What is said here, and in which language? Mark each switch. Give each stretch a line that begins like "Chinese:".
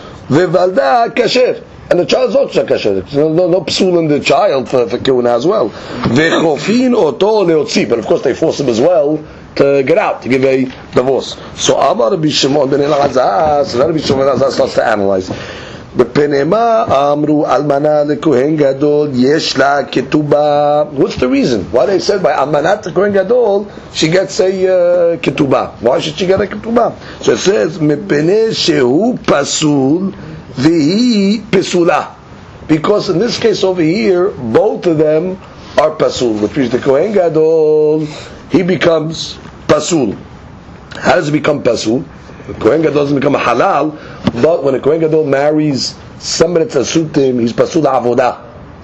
Hebrew: Vevalda kasher,
English: and the child is also kasher. No psul in the child for kehuna as well.
Hebrew: Vechofin oto leotzi,
English: but of course they force him as well to get out to give a divorce. So
Hebrew: Amar Rabbi Shimon ben Elazar.
English: So Rabbi Shimon ben Elazar starts to analyze.
Hebrew: בפנימה אמרו אלמנה לכהן גדול יש לה כתובה.
English: What's the reason? Why they said by אלמנת כהן גדול she gets a כתובה? Why should she get a כתובה?
Hebrew: So it says מפני שהוא פסול והיא פסולה.
English: Because in this case over here both of them are פסול, which means the כהן גדול he becomes פסול. How does he become פסול? The Kohen Gadol doesn't become a halal, but when a Kohen Gadol marries somebody that's a suit to him, he's pasul avodah.